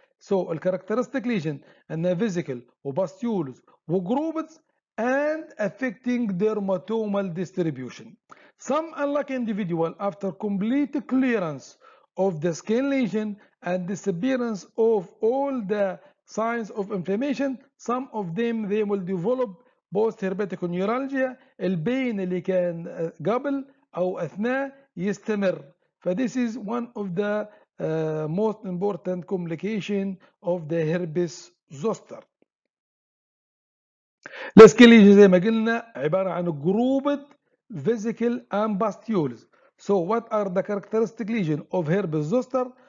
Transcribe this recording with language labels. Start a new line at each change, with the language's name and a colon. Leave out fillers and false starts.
English: So the characteristic lesion and the vesical opustules were grouped and affecting dermatomal distribution. Some unlucky individual, after complete clearance of the skin lesion and disappearance of all the signs of inflammation, some of them, they will develop post-herpetic neuralgia.
Arabic: البين اللي كان قبل أو أثناء يستمر.
English: فthis is one of the most important complication of the herpes zoster.
Arabic: الاسكين ليجن زي ما قلنا عبارة عن
English: grouped vesical and pustules. So what are the characteristic lesion of herpes zoster?